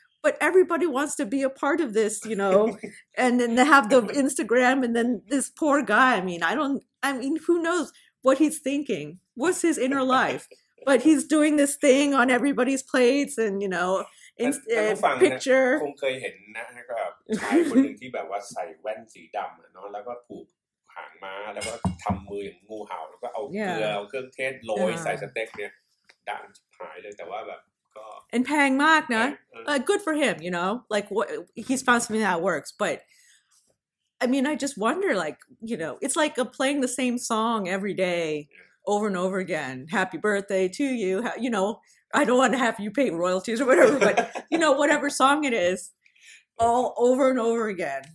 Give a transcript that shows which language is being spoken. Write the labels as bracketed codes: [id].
[en] But everybody wants to be a part of this, you know, and then they have the Instagram, and then this poor guy, I mean, who knows what he's thinking? What's his inner life? But he's doing this thing on everybody's plates and, you know, picture. [th] คงเคยเห็นนะครับชายคนหนึ่งที่แบบว่าใส่แว่นสีดำเนาะแล้วก็ผูกหางม้าแล้วก็ทำมืออย่างงูเห่าแล้วก็เอาเกลือเอาเครื่องเทศโรยใส่สเต็กเนี่ยดังหายเลยแต่ว่าแบบก็ [en] and [th] แพงมากนะ [en] good for him you know like what he's found something that works butI mean, I just wonder, like, you know, it's like playing the same song every day over and over again. Happy birthday to you. You know, I don't want to have you pay royalties or whatever, but, you know, whatever song it is, all over and over again.